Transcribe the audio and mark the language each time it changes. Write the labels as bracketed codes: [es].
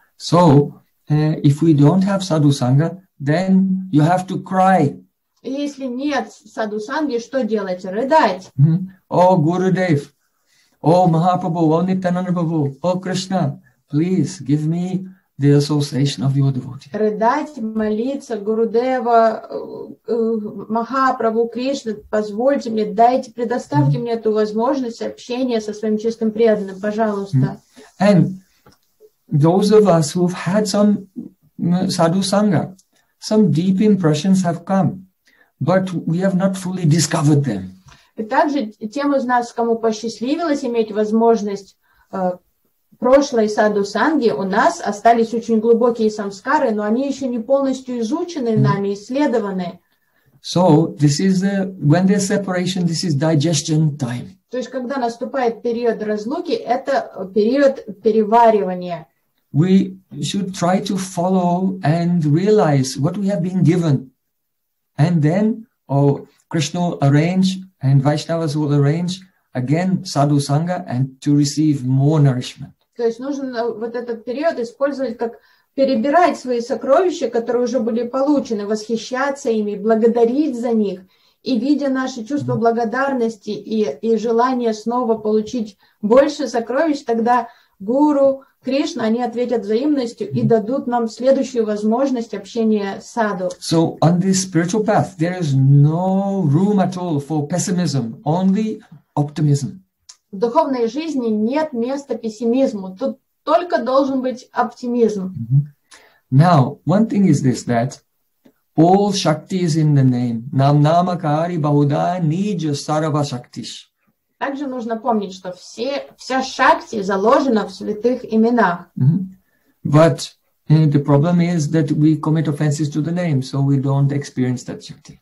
[en] So if we don't have sadhu sangha, then you have to cry. [ru] Если нет саду санги, что делать? Рыдать. [en] О, Гуру Дев, о, Махапрабху, о, Нитянанда-прабху, о, Кришна, please give me the association of your devotee. [ru] Рыдать, молиться, Гурудева, Махапрабху, Кришна, позвольте мне, дайте, предоставьте мне эту возможность общения со своим чистым преданным, пожалуйста. [en] And those of us who've had some sadhu sangha, some deep impressions have come, but we have not fully discovered them. [ru] И также тем из нас, кому посчастливилось иметь возможность прошлой саду санги, у нас остались очень глубокие самскары, но они еще не полностью изучены нами, исследованы. [en] So this is the, when there's separation, this is digestion time. [ru] То есть когда наступает период разлуки, это период переваривания. [en] We should try to follow and realize what we have been given, and then, oh, Krishna will arrange and Vaishnavas will arrange again sadhu sangha and to receive more nourishment. [ru] То есть нужно вот этот период использовать как перебирать свои сокровища, которые уже были получены, восхищаться ими, благодарить за них. И видя наше чувство благодарности и желание снова получить больше сокровищ, тогда Гуру, Кришна, они ответят взаимностью и дадут нам следующую возможность общения с саду. [en] So on this spiritual path, there is no room at all for pessimism, only optimism. [ru] В духовной жизни нет места пессимизму. Тут только должен быть оптимизм. [en] Now, one thing is this, that all shakti is in the name. [sa] Нам намакари бауда нидже сарва шактиш. [ru] Также нужно помнить, что вся шакти заложена в святых именах. [en] But the problem is that we commit offenses to the name, so we don't experience that shakti.